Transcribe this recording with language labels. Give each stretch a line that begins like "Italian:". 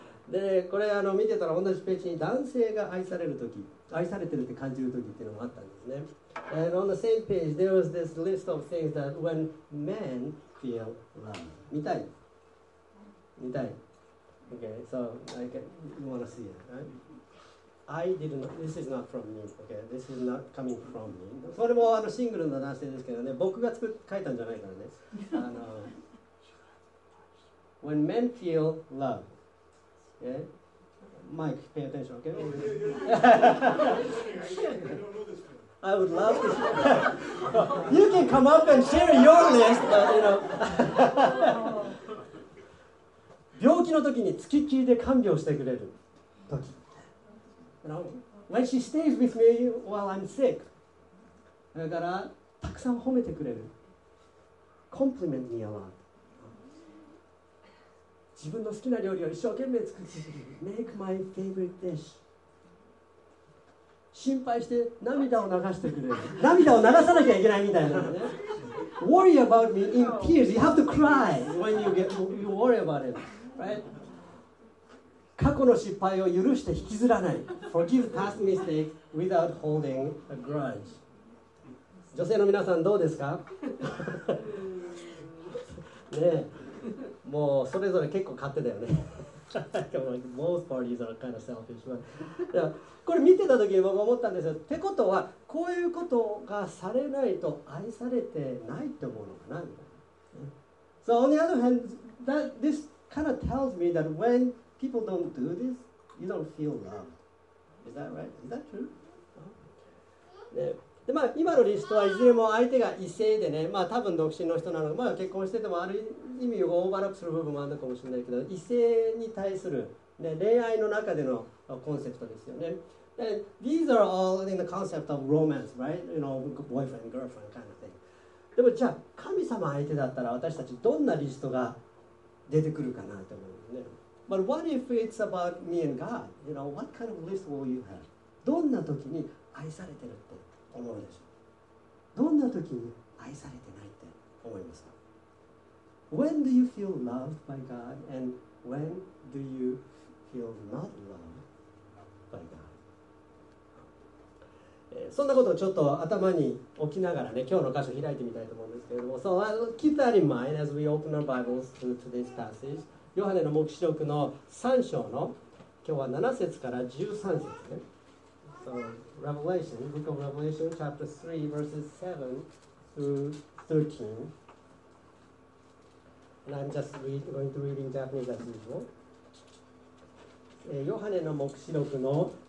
Japanese: でこれあの見てたら同じページに男性が愛されるとき、愛されてるって感じるときっていうのもあったんですね。
English: And on the same page, there was this list of things that when men feel love.
Japanese: 見たい。見たい。
English: Okay, so I can, you want to see it, right? I did not, this is not from me, okay? This is not coming from me.
Japanese: それもあのシングルの男性ですけどね、僕が書いたんじゃないからね。
English: When men feel love. Yeah? Mike, pay attention, okay? I would love to share. You can come up and share your list, but you know.
Japanese: 病気の時に付きっきりで看病してくれる時。
English: You know, when she stays with me while I'm sick.
Japanese: だから、たくさん褒めてくれる。
English: Compliment me a lot.
Japanese: 自分の好きな料理を一生懸命作って
English: Make my favorite dish.
Japanese: 心配して涙を流してくれる。涙を流さなきゃいけないみたいなね。
English: Worry about me in tears. You have to cry when you worry about it. Right?
Japanese: 過去の失敗を許して引きずらない。
English: Forgive past mistakes without holding a grudge.
Japanese: 女性の皆さんどうですか？ねえ。もうそれぞれ結構勝手だよね。
English: Most parties are kind of selfish.
Japanese: これ見てた時に僕思ったんですよ。ってことはこういうことがされないと愛されてないと思うのかな。
English: So on the other hand, that this kind of tells me that when people don't do this, you don't feel loved. Is that right? Is that true?
Japanese: でまあ、今のリストはいずれも相手が異性でね、まあ、多分独身の人なのか、まあ、結婚しててもある意味をオーバーラップする部分もあるのかもしれないけど、異性に対する、ね、恋愛の中でのコンセプトですよね。
English: These are all in the concept of romance, right? You know, boyfriend, girlfriend kind of thing.
Japanese: でもじゃあ神様相手だったら私たちどんなリストが出てくるかなと思うんですね。
English: But what if it's about me and God? You know, what kind of list will you have?
Japanese: どんな時に愛されてるって思うでしょう。どんな時に愛されてないって思いますか。
English: When do you feel loved by God and when do you feel not loved by God?
Japanese: そんなことをちょっと頭に置きながらね、今日の箇所開いてみたいと思うんですけれども、
English: So I'll keep that in mind as we open our Bibles to today's passage.
Japanese: ヨハネの黙示録の3章の今日は7節から13節ね。
English: So, Revelation, Book of Revelation, chapter 3, verses 7 through 13. And I'm just going to read in Japanese as usual. ヨハネの黙示録の